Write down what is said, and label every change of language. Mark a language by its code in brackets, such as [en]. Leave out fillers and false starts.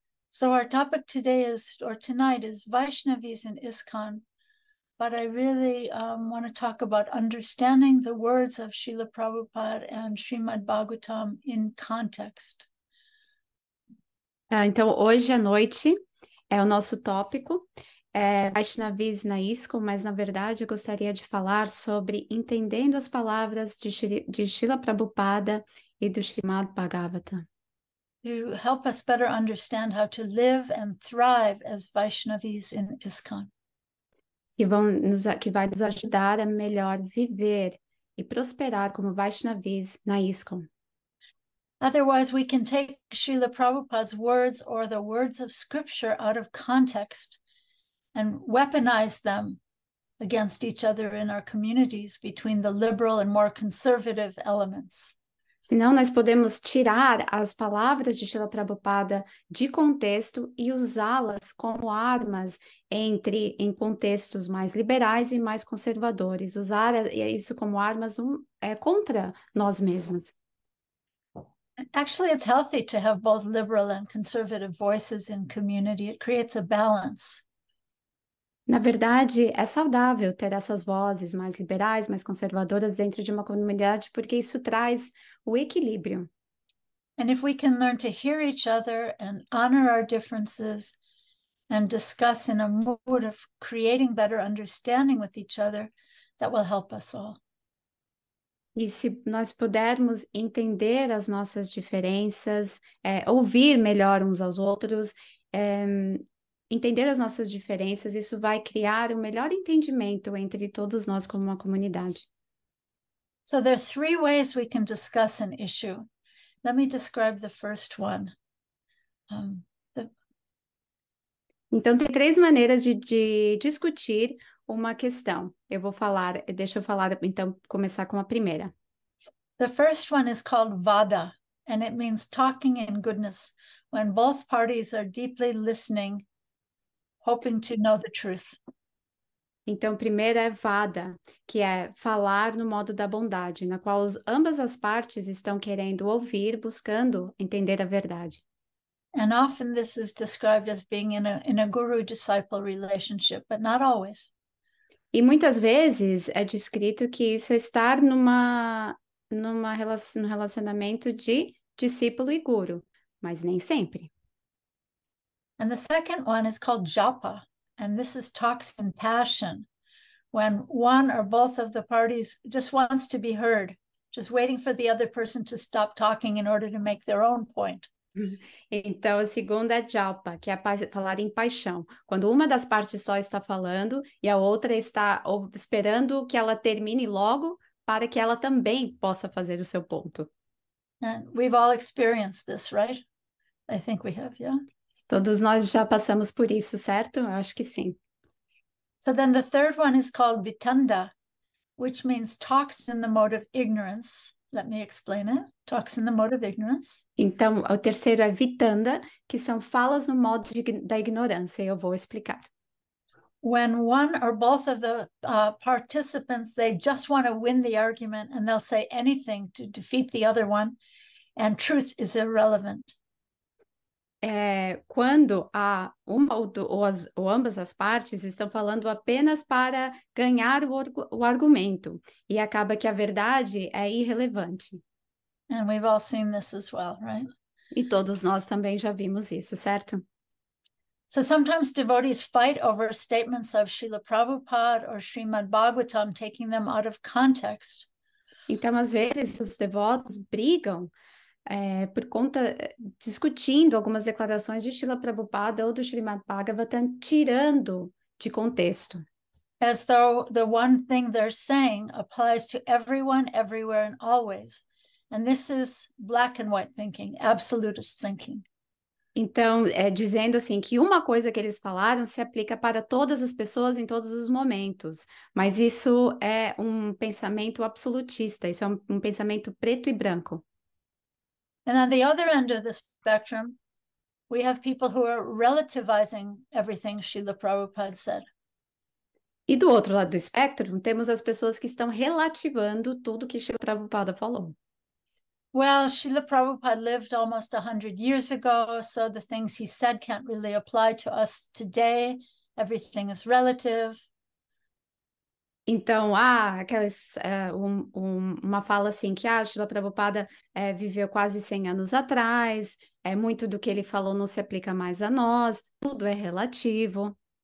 [en] So our topic today is, or tonight is Vaishnavis and ISKCON, but I really want to talk about understanding the words of Srila Prabhupada and Srimad Bhagavatam in context. [pt] Então, hoje à noite é o nosso tópico, Vaishnavis na ISKCON, mas na verdade eu gostaria de falar sobre entendendo as palavras de Srila Prabhupada e do Srimad Bhagavata. [en] To help us better understand how to live and thrive as Vaishnavis in ISKCON. [pt] Que vai nos ajudar a melhor viver e prosperar como Vaishnavis na ISKCON. [en] Otherwise, we can take Srila Prabhupada's words or the words of scripture out of context and weaponize them against each other in our communities between the liberal and more conservative elements. [pt] Senão, nós podemos tirar as palavras de Srila Prabhupada de contexto e usá-las como armas em contextos mais liberais e mais conservadores. Usar isso como armas contra nós mesmos. [en] Actually, it's healthy to have both liberal and conservative voices in community. It creates a balance. [pt] Na verdade, é saudável ter essas vozes mais liberais, mais conservadoras dentro de uma comunidade, porque isso traz o equilíbrio. [en] And if we can learn to hear each other and honor our differences and discuss in a mood of creating better understanding with each other, that will help us all. [pt] E se nós pudermos entender as nossas diferenças, ouvir melhor uns aos outros, entender as nossas diferenças, isso vai criar um melhor entendimento entre todos nós como uma comunidade. [en] So there are three ways we can discuss an issue. Let me describe the first one. [pt] Então, tem três maneiras de discutir uma questão. Eu vou falar, deixa eu falar, então, começar com a primeira. [en] The first one is called vada, and it means talking in goodness, when both parties are deeply listening, hoping to know the truth. [pt] Então, a primeira é vada, que é falar no modo da bondade, na qual ambas as partes estão querendo ouvir, buscando entender a verdade. [en] And often this is described as being in a guru-disciple relationship, but not always. [pt] E muitas vezes é descrito que isso é estar num relacionamento de discípulo e guru, mas nem sempre. [en] And the second one is called japa, and this is talks in passion, when one or both of the parties just wants to be heard, just waiting for the other person to stop talking in order to make their own point. [pt] Então, a segunda é japa, que é falar em paixão, quando uma das partes só está falando e a outra está esperando que ela termine logo para que ela também possa fazer o seu ponto. [en] And we've all experienced this, right? I think we have, yeah? [pt] Todos nós já passamos por isso, certo? Eu acho que sim. [en] So then the third one is called vitanda, which means talks in the mode of ignorance. Let me explain it. Talks in the mode of ignorance. [pt] Então, o terceiro é vitanda, que são falas no modo da ignorância, e eu vou explicar. [en] When one or both of the participants, they just want to win the argument and they'll say anything to defeat the other one, and truth is irrelevant. [pt] Quando há uma ou ambas as partes estão falando apenas para ganhar o argumento, e acaba que a verdade é irrelevante. [en] And we've all seen this as well, right? [pt] E todos nós também já vimos isso, certo? [en] So sometimes devotees fight over statements of Srila Prabhupada or Srimad Bhagavatam, taking them out of context. [pt] Então, às vezes, os devotos brigam por conta, discutindo algumas declarações de Srila Prabhupada ou do Srimad Bhagavatam, tirando de contexto. [en] As though the one thing they're saying applies to everyone, everywhere, and always. And this is black and white thinking, absolutist thinking. [pt] Então, dizendo assim que uma coisa que eles falaram se aplica para todas as pessoas em todos os momentos, mas isso é um pensamento absolutista, isso é um pensamento preto e branco. [en] And on the other end of the spectrum, we have people who are relativizing everything Srila Prabhupada said. [pt] E do outro lado do espectro, temos as pessoas que estão relativando tudo que Srila Prabhupada falou. [en] Well, Srila Prabhupada lived almost 100 years ago, so the things he said can't really apply to us today. Everything is relative. [pt] Então, uma fala assim que Srila Prabhupada viveu quase 100 anos atrás, muito do que ele falou não se aplica mais a nós, tudo é relativo.